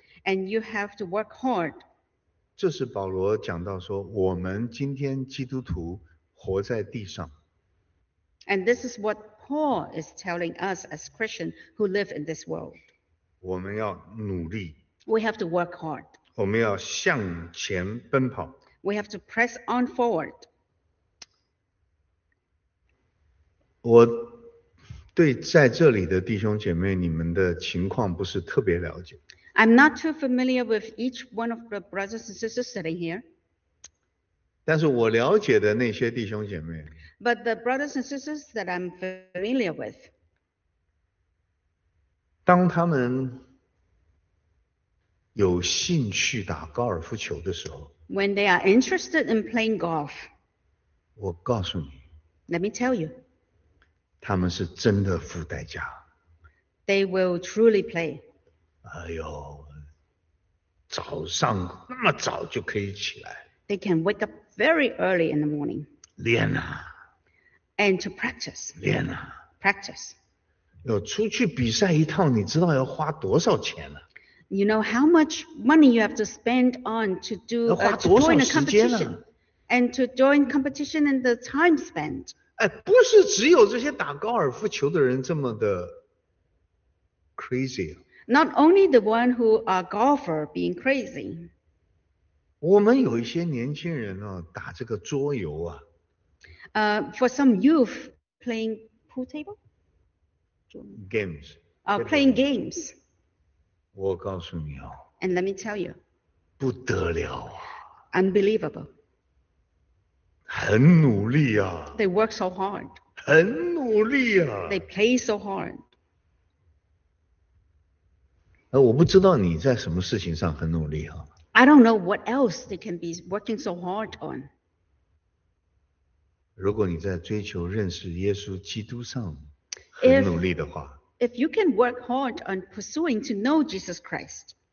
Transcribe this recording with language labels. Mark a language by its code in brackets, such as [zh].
[en] And you have to work hard. [zh] 这是保罗讲到说，我们今天基督徒活在地上。 [en] And this is what Paul is telling us as Christians who live in this world. [zh] 我们要努力。 [en] We have to work hard. [zh] 我们要向前奔跑。 [en] We have to press on forward. [zh] 我对在这里的弟兄姐妹，你们的情况不是特别了解。 [en] I'm not too familiar with each one of the brothers and sisters sitting here. [zh] 但是我了解的那些弟兄姐妹。 [en] But the brothers and sisters that I'm familiar with. [zh] 当他们有兴趣打高尔夫球的时候。 [en] When they are interested in playing golf. [zh] 我告诉你。 [en] Let me tell you. [zh] 他们是真的付代价。 [en] They will truly play. [zh] 哎呦，早上那么早就可以起来。 [en] They can wake up very early in the morning. [zh] 练啊。 [en] And to practice. [zh] 练啊。 [en] Practice. [zh] 要出去比赛一趟，你知道要花多少钱呢？ [en] You know how much money you have to spend on to do a competition. And to join competition and the time spent. [zh] 哎，不是只有这些打高尔夫球的人这么的 crazy。 [en] Not only the one who are golfer being crazy。 [zh] 我们有一些年轻人呢，打这个桌游啊。 [en] For some youth playing pool table. Games. Playing games. [zh] 我告诉你哦。 [en] And let me tell you. [zh] 不得了啊。 [en] Unbelievable. [zh] 很努力啊。 [en] They work so hard. [zh] 很努力啊。 [en] They play so hard. [zh] 我不知道你在什么事情上很努力啊。 [en] I don't know what else they can be working so hard on. [zh] 如果你在追求认识耶稣基督上很努力的话。 [en] If you can work hard on pursuing to know Jesus Christ.